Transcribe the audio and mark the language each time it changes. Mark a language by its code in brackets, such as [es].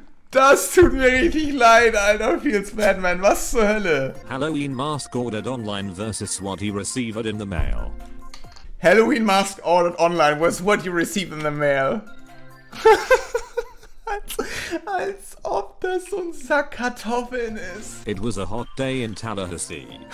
[de] Das tut mir richtig leid, Alter. [en] Feels bad, man. [de] Was zur Hölle? [en] Halloween mask ordered online versus what he received in the mail. Halloween mask ordered online versus what you received in the mail. [de] Als ob das so ein Sack Kartoffeln ist. [en] It was a hot day in Tallahassee.